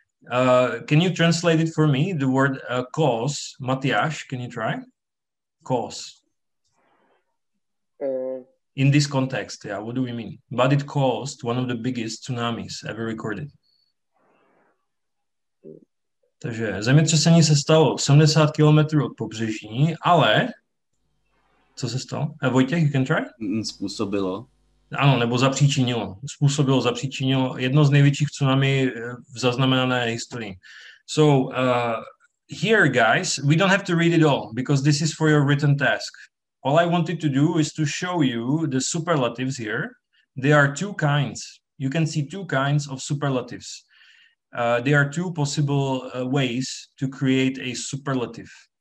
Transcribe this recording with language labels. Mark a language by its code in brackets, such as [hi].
[en] Can you translate it for me? The word cause. Matias, can you try? Cause. In this context, yeah, what do we mean? But it caused one of the biggest tsunamis ever recorded. [cs] Takže zemětřesení se stalo 70 km od pobřeží, ale Co se stalo? Vojtěch, [en] you can try? [cs] Způsobilo. Ano, nebo zapříčinilo. Způsobilo, zapříčinilo. Jedno z největších tsunami v zaznamenané historii. [en] So, here, guys, we don't have to read it all, because this is for your written task. All I wanted to do is to show you the superlatives here. There are two kinds. You can see two kinds of superlatives. There are two possible ways to create a superlative.